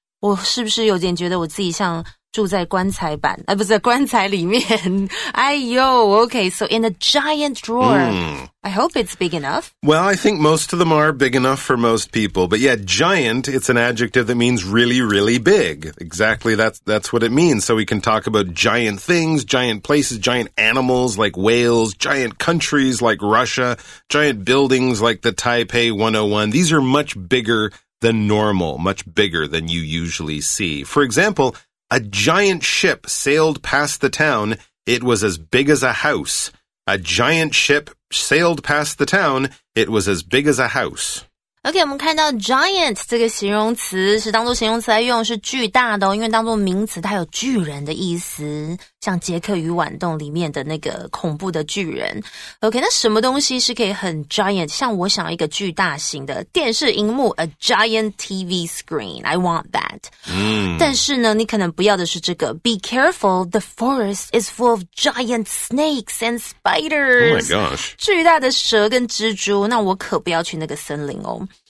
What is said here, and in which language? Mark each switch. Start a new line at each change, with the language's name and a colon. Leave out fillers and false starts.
Chinese: 我是不是有点觉得我自己像住在棺材板啊不是棺材里面。
English: 哎呦 ,okay, so in a giant drawer.、 Mm. I hope it's big enough. Well, I think most of them are big enough for most people. But yeah, giant, it's an adjective that means really, really big. Exactly, that's what it means. So we can talk about giant things, giant places, giant animals like whales, giant countries like Russia, giant buildings like the Taipei 101. These are much bigger than normal, much bigger than you usually see. For example,A giant ship sailed past the town. It was as big as a house. A giant ship sailed past the town. It was as big as a house.
Chinese: Okay, 我们看到 giant 这个形容词是当作形容词来用，是巨大的哦，因为当作名词它有巨人的意思，像杰克与豌豆里面的那个恐怖的巨人。 Okay, 那什么东西是可以很 giant? 像我想要一个巨大型的电视荧幕 ,
English: a giant TV screen. I want that.、 Mm.
Chinese: 但是呢你可能不要的是这个。
English: Be careful, the forest is full of giant snakes and spiders. Oh my gosh.
Chinese: 巨大的蛇跟蜘蛛那我可不要去那个森林哦。